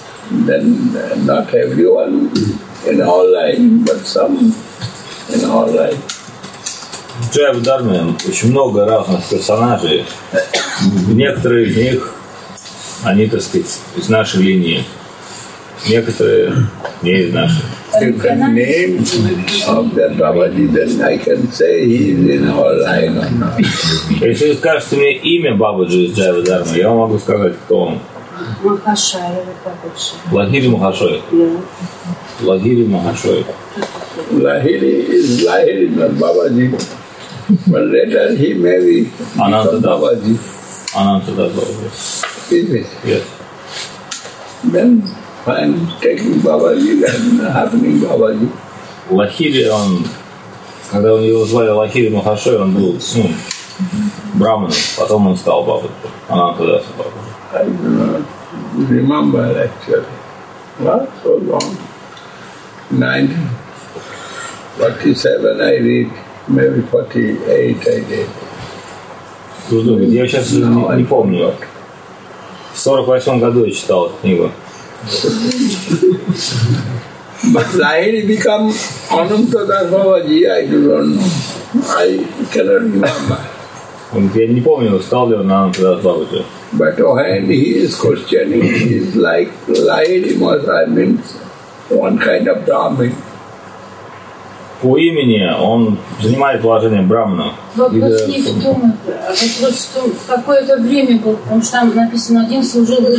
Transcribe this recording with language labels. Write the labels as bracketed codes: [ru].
[en] Then not everyone in all line, but some in all line. [ru] Джай Бхадхарме очень много разных персонажей. Некоторые из них, они, так сказать, из нашей линии. Некоторые не из наших. [en] You can name of the Babaji, then I can say he is in our line or not. [ru] Если вы скажете мне имя Бабаджи из Джай Бхадхарме, я могу сказать, кто он. Махашоя Бабаджи. Лахири Махашоя. Лахири Махашоя. [en] Лахири is Лахири, not Бабаджи. But later he may be [ru] Ананта Бабаджи. Ананта Бабаджи. [en] Is it? Yes. Then I'm taking Babaji then happening Babaji. [ru] Лахири, он, когда его звали Лахири Махашой, он был, ну, браманом, потом он стал Бабаджи. Она тогда стала Бабаджи. [en] I do not remember actually. Not so long. 1947 I read, maybe 48 I did. [ru] Я сейчас не помню. В 1948 году я читал эту книгу. [en] But Lahiri become Ananta Das Babaji, I do not know. I cannot remember. [ru] Я не помню, стал ли он Ананта Дас Бабаджи. [en] But when he is questioning, he is like Lahiri Mahasaya means one kind of Brahmin. [ru] По имени он занимает положение брамана. Вопрос не в том, вопрос, что в какое-то время был, потому что там написано, один служил